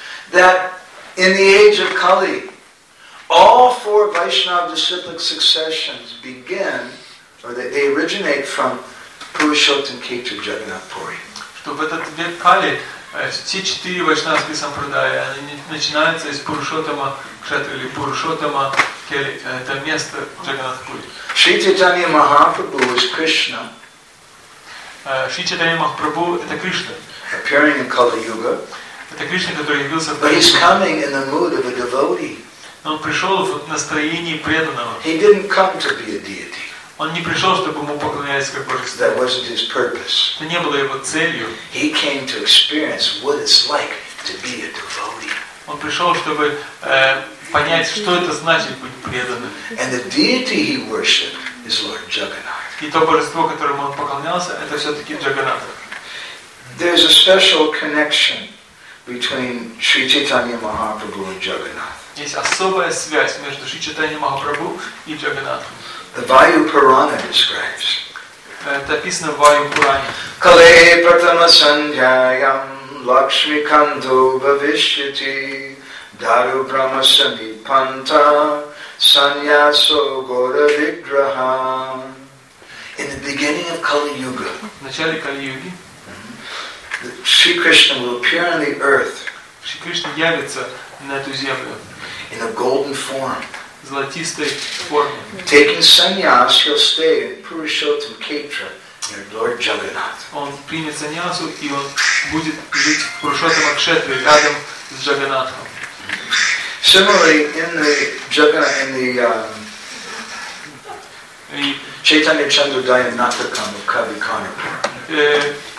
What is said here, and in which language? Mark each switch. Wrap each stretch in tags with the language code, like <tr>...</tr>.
<en>That in the age of Kali, all four Vaishnava disciplic successions begin, or they originate from Purushottam Ketu Jagannath Puri.</en> <ru>Что в этот век Кали, все четыре вайшнавские сампрадая, они начинаются из Пурушоттама Кшетри, или Пурушоттама Кели, это место Джаганнатх Пури.</ru> <en>Шри Чайтанья Махапрабху is Krishna.</en> <ru>Шри Чайтанья Махапрабху это Кришна.</ru> <en>Appearing in Kali Yuga.</en> <ru>Это Кришна, который явился в</ru> <en>Кали-Югу. But he's coming in the mood of a devotee.</en> <ru>Но он пришел в настроении преданного.</ru> <en>He didn't come to be a deity.</en> <ru>Он не пришел, чтобы ему поклоняться как божеству. Это не было его целью.</ru> <en>He came to experience what it's like to be a devotee.</en> <ru>Он пришел, чтобы понять, что это значит быть преданным.</ru> <en>And the deity he worshipped is Lord Jagannath.</en> <ru>И то божество, которому он поклонялся, это все-таки Джагганнатх.</ru> <en>There's a special connection between Sri Chaitanya Mahaprabhu and Jagannath.</en> <ru>Есть особая связь между Шри Чайтанья Махапрабху и Джагганнатхом.</ru> <en>The Vayu Purana describes.</en> <ru>Это описано в Vayu Purana.</ru> <sa>Kale pratama sandhyayam Lakshmi kando bhavishyati Daru brahma samipanta Sanyaso gora vigraha.</sa> <en>In the beginning of Kali Yuga,</en> <ru>в начале Кали Юги,</ru> <en>Sri Krishna will appear on the earth.</en> <ru>Шри Кришна явится на эту землю.</ru> <en>In a golden form.</en> <ru>Золотистой формы.</ru> <en>Taking sannyas, he'll stay in Purushottam Ketra near Lord Jagannath.</en> <ru>Он примет саньясу и он будет жить в Пурушоттама Кшетре рядом с Джагганнатхом.</ru> <en>Similarly, in the Jagannath, in the Chaitanya Chandodaya Natakam of Kavi Karnapur.</en>